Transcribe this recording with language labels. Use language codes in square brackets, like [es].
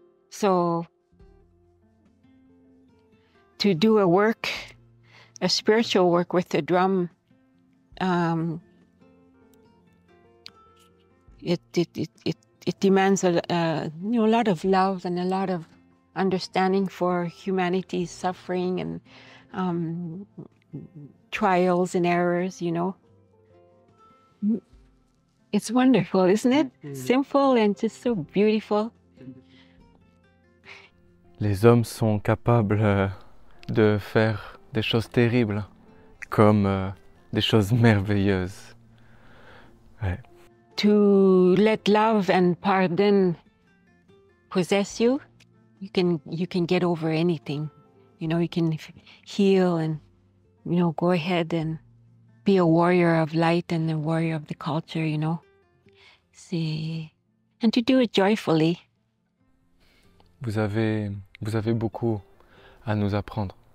[en] So, to do a work, a spiritual work with the drum, it demands a lot of love and a lot of understanding for humanity's suffering and trials and errors. You know, it's wonderful, isn't it? Simple and just so beautiful. [fr] Les hommes sont capables de faire des choses terribles comme des choses merveilleuses. Ouais. [en] to let love and pardon possess you, you can get over anything. You know, you can heal and, you know, go ahead and be a warrior of light and a warrior of the culture, you know. See, and to do it joyfully. [fr] Vous avez beaucoup à nous apprendre.